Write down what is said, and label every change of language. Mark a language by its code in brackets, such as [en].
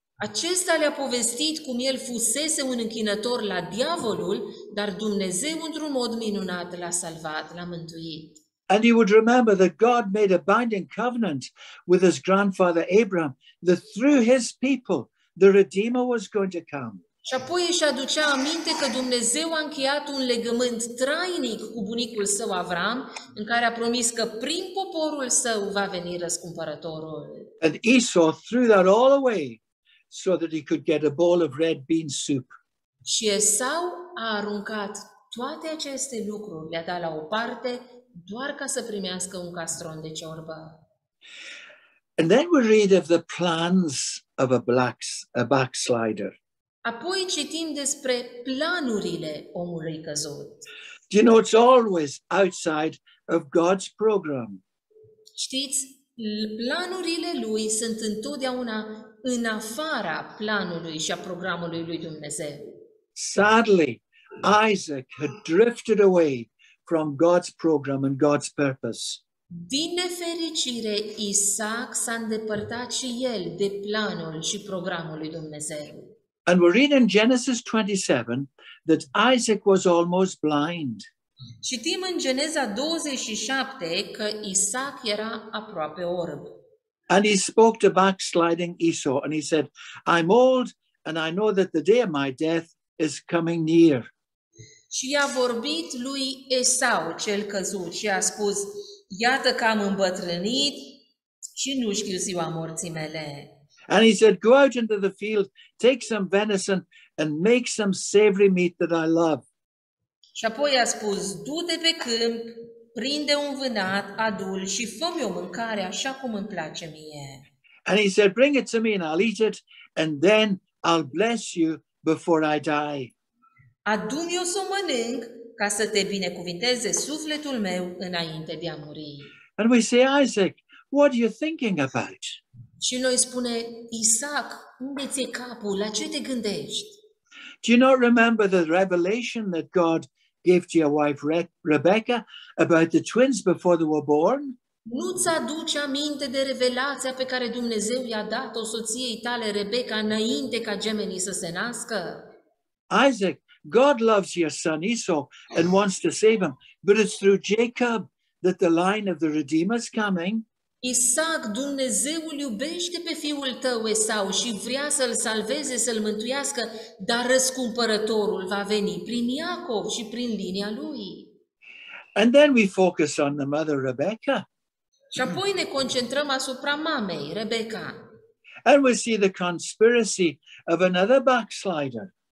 [ro] Acesta le-a povestit cum el fusese un închinător la diavolul, dar Dumnezeu într-un mod minunat l-a salvat, l-a mântuit. [en] And he would remember that God made a binding covenant with his grandfather Abraham, that through his people the Redeemer was going to come. [ro] Și apoi își aducea aminte că Dumnezeu a încheiat un legământ trainic cu bunicul său Avraam, în care a promis că prin poporul său va veni răscumpărătorul. [en] And Esau threw that all away so that he could get a bowl of red bean soup. [ro] Și Esau a aruncat toate aceste lucruri, le-a dat la o parte, doar ca să primească un castron de ciorbă. [en] And then we read of the plans of a backslider. [ro] Apoi citim despre planurile omului căzut. [en] Do you know, it's always outside of God's program. [ro] Știți, planurile lui sunt întotdeauna în afara planului și a programului lui Dumnezeu. [en] Sadly, Isaac had drifted away from God's program and God's purpose. [ro] Din nefericire, Isaac s-a îndepărtat și el de planul și programul lui Dumnezeu. [en] And we read in Genesis 27 that Isaac was almost blind. [ro] Citim în Geneza 27 că Isaac era aproape orb. [en] And he spoke to backsliding Esau and he said, "I'm old and I know that the day of my death is coming near." [ro] Și i-a vorbit lui Esau, cel căzut, și a spus, "Iată că am îmbătrânit și nu știu ziua morții mele." [en] And he said, "Go out into the field, take some venison and make some savory meat that I love." [ro] Și apoi a spus, "Du-te pe câmp, prinde un vânat, adu-l și fă-mi o mâncare așa cum îmi place mie." [en] And he said, "Bring it to me and I'll eat it and then I'll bless you before I die." [ro] Adu-mi o să mănânc ca să te binecuvinteze sufletul meu înainte de a muri. [en] And we say, "Isaac, what are you thinking about?" [ro] Și noi spune, Isaac, unde ți-e capul? La ce te gândești? [en] Do you not remember the revelation that God gave to your wife Rebecca about the twins before they were born? [ro] Nu ți-aduci aminte de revelația pe care Dumnezeu i-a dat-o soției tale Rebecca înainte ca gemenii să se nască? [en] Isaac, God loves your son Esau and wants to save him, but it's through Jacob that the line of the Redeemer is coming. [ro] Isaac, Dumnezeul iubește pe fiul tău Esau și vrea să-l salveze, să-l mântuiască, dar răscumpărătorul va veni prin Iacov și prin linia lui. [en] And then we focus on the mother Rebecca. [ro] Și apoi ne concentrăm asupra mamei, Rebecca. [en] And we see the conspiracy of another backslider.